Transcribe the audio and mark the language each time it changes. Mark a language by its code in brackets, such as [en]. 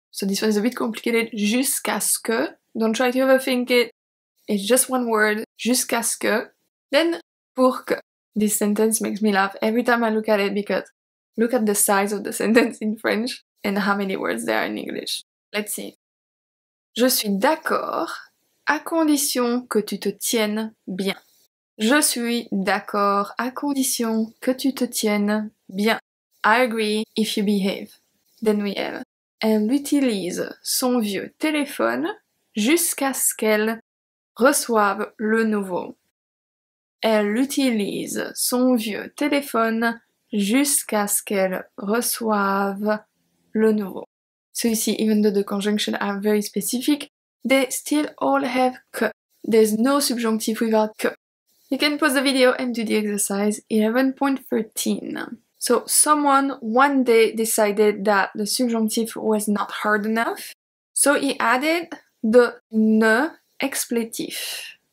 [en] So this one is a bit complicated, [fr] jusqu'à ce que. [en] Don't try to overthink it. It's just one word, [fr] jusqu'à ce que. [en] Then, [fr] pour que. [en] This sentence makes me laugh every time I look at it because look at the size of the sentence in French and how many words there are in English. Let's see. [fr] Je suis d'accord à condition que tu te tiennes bien. Je suis d'accord à condition que tu te tiennes bien. [en] I agree if you behave. Then we have. [fr] Elle utilise son vieux téléphone jusqu'à ce qu'elle reçoive le nouveau. Elle utilise son vieux téléphone jusqu'à ce qu'elle reçoive le nouveau. [en] So you see, even though the conjunctions are very specific, they still all have que. There's no subjonctive without que. You can pause the video and do the exercise 11.13. So someone one day decided that the subjonctive was not hard enough, so he added the ne expletif.